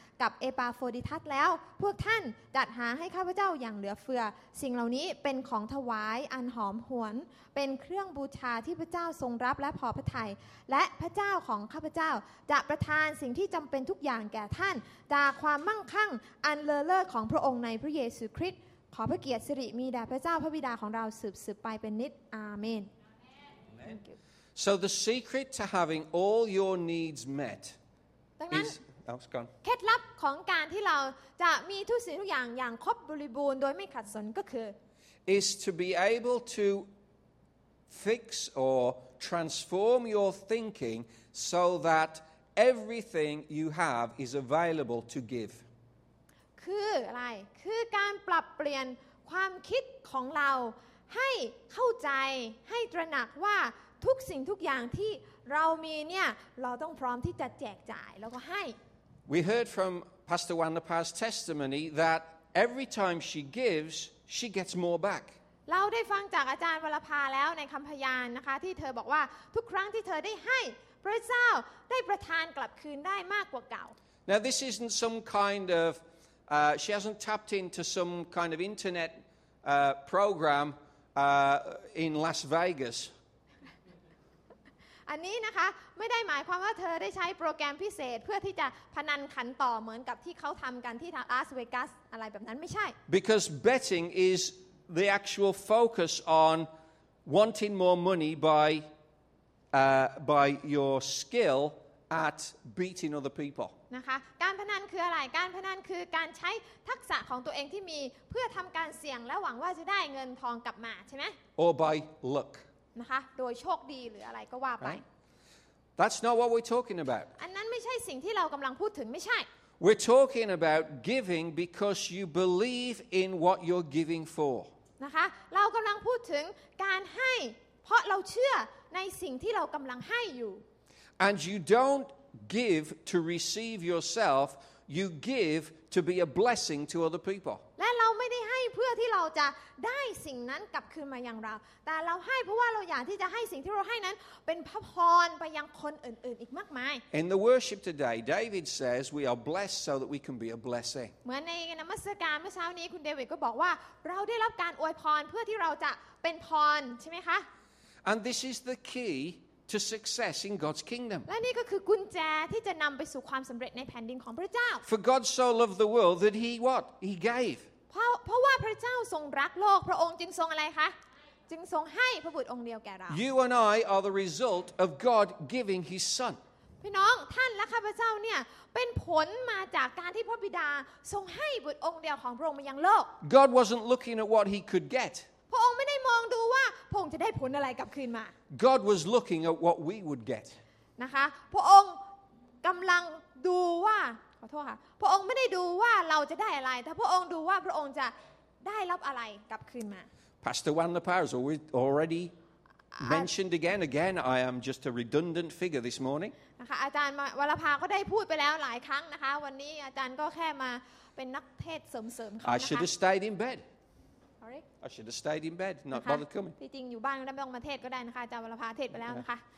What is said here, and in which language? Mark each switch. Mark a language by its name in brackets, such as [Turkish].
[Thai] กับเอปาโฟดิทัสแล้วพวกท่านจัดหาให้ข้าพเจ้าอย่างเหลือเฟือสิ่งเหล่านี้เป็นของถวายอันหอมหวนเป็นเครื่องบูชาที่พระเจ้าทรงรับและพอพระทัยและพระเจ้าของข้าพเจ้าจะประทานสิ่งที่จำเป็นทุกอย่างแก่ท่านจากความมั่งคั่งอันเลอเลอของพระองค์ในพระเยซูคริสต์ขอพระเกียรติสิริมีแด่พระเจ้าพระบิดาของเราสืบๆไปเป็นนิจอาเมน [English] So the secret to having all your needs met is... Oh, it's gone. [Thai] เคล็ดลับของการที่เราจะมีทุกสิ่งทุกอย่างอย่างครบบริบูรณ์โดยไม่ขัดสนก็คือ [English] is to be able to fix or transform your thinking so that everything you have is available to give. [Thai] คืออะไรคือการปรับเปลี่ยนความคิดของเราให้เข้าใจให้ตระหนักว่าทุกสิ่งทุกอย่างที่เรามีเนี่ยเราต้องพร้อมที่จะแจกจ่ายแล้วก็ให้ [English] We heard from Pastor Wanapa's testimony that every time she gives she gets more back [Thai] เราได้ฟังจากอาจารย์วรภาแล้วในคำพยานนะคะที่เธอบอกว่าทุกครั้งที่เธอได้ให้พระเจ้าได้ประทานกลับคืนได้มากกว่าเก่า [English] Now this isn't some kind of she hasn't tapped into some kind of internet program in Las Vegas [Thai] อันนี้นะคะไม่ได้หมายความว่าเธอได้ใช้โปรแกรมพิเศษเพื่อที่จะพนันขันต่อเหมือนกับที่เขาทำกันที่ลาสเวกัสอะไรแบบนั้นไม่ใช่ [English] Because betting is the actual focus on wanting more money by by your skill at beating other people [Thai] นะคะการพนันคืออะไรการพนันคือการใช้ทักษะของตัวเองที่มีเพื่อทำการเสี่ยงและหวังว่าจะได้เงินทองกลับมาใช่ไหม [English] Or by luck [Thai] นะคะโดยโชคดีหรืออะไรก็ว่าไป [English] That's not what we're talking about [Thai] อันนั้นไม่ใช่สิ่งที่เรากำลังพูดถึงไม่ใช่ [English] We're talking about giving because you believe in what you're giving for [Thai] นะคะเรากำลังพูดถึงการให้เพราะเราเชื่อในสิ่งที่เรากำลังให้อยู่ [English] And you don't give to receive yourself you give to be a blessing to other people [Thai] เพื่อที่เราจะได้สิ่งนั้นกลับคืนมายังเราแต่เราให้เพราะว่าเราอยากที่จะให้สิ่งที่เราให้นั้นเป็นพระพรไปยังคนอื่นๆอีกมากมาย [English] In the worship today David says we are blessed so that we can be a blessing [Thai] เหมือนในนมัสการเมื่อเช้านี้คุณเดวิดก็บอกว่าเราได้รับการอวยพรเพื่อที่เราจะเป็นพรใช่มั้ยคะ [English] And this is the key to success in God's kingdom [Thai] และนี่ก็คือกุญแจที่จะนำไปสู่ความสำเร็จในแผ่นดินของพระเจ้า [English] For God so loved the world that he what he gave [Thai] เพราะว่าพระเจ้าทรงรักโลกพระองค์จึงทรงอะไรคะจึงทรงให้พระบุตรองค์เดียวแก่เรา [English] You and I are the result of God giving his son [Thai] พี่น้องท่านและข้าพเจ้าเนี่ยเป็นผลมาจากการที่พระบิดาทรงให้บุตรองค์เดียวของพระองค์มายังโลก [English] God wasn't looking at what he could get [Thai] พระองค์ไม่ได้มองดูว่าพระองค์จะได้ผลอะไรกลับคืนมา [English] God was looking at what we would get [Thai] นะคะพระองค์กำลังดูว่าขอโทษค่ะพระองค์ไม่ได้ดูว่าเราจะได้อะไรแต่พระองค์ดูว่าพระองค์จะได้รับอะไรกลับคืนมา [English] Pastor Wanapa has already mentioned again I am just a redundant figure this morning [Thai] นะคะอาจารย์วรภาก็ได้พูดไปแล้วหลายครั้งนะคะวันนี้อาจารย์ก็แค่มาเป็นนักเทศเสริมๆค่ะ [English] I should have stayed in bed เ correct? I should have stayed in bed, not bothered coming. [Thai] ที่จริงอยู่บ้านก็ได้ไม่ต้องมาเทศก็ได้นะคะจำวันพาเทศไปแล้วนะคะ